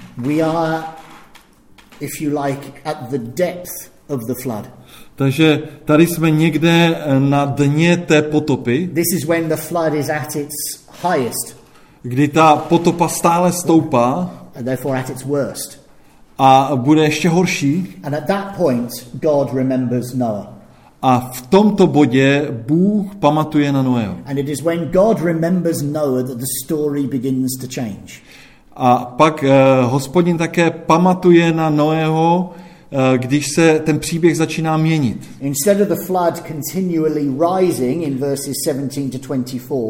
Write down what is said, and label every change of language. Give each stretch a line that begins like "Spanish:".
English: We are, if you like, at the depth of the flood.
Czech: Takže tady jsme někde na dně té potopy.
English: This is when the flood is at its highest.
Czech: Kdy ta potopa stále stoupá.
English: And therefore at its worst.
Czech: A bude ještě horší.
English: And at that point God remembers Noah.
Czech: A v tomto bodě Bůh pamatuje na Noého.
English: And it is when God remembers Noah that the story begins to change.
Czech: A pak Hospodin také pamatuje na Noého, když se ten příběh začíná měnit.
English: Instead of the flood continually rising in verses 17 to 24,